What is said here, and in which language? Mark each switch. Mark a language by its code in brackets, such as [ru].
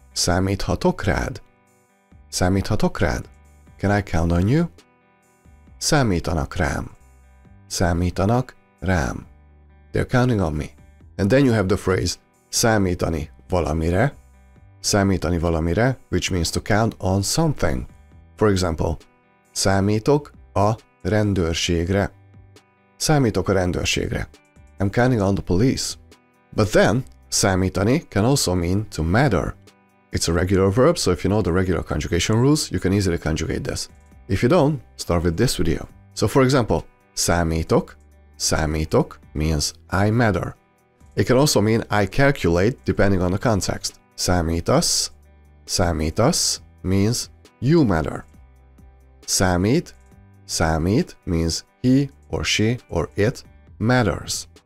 [hu] Számíthatok rád? Számíthatok rád? [en] Can I count on you? [hu] Számítanak rám. Számítanak rám. [en] They're counting on me. And then you have the phrase [hu] számítani valamire. Számítani valamire, [en] which means to count on something. For example, [hu] számítok a rendőrségre. Számítok a rendőrségre. [en] I'm counting on the police. But then, számítani can also mean to matter. It's a regular verb, so if you know the regular conjugation rules, you can easily conjugate this. If you don't, start with this video. So for example, számítok. Számítok means I matter. It can also mean I calculate, depending on the context. Számítasz. Számítasz means you matter. Számít. Számít means he or she or it matters.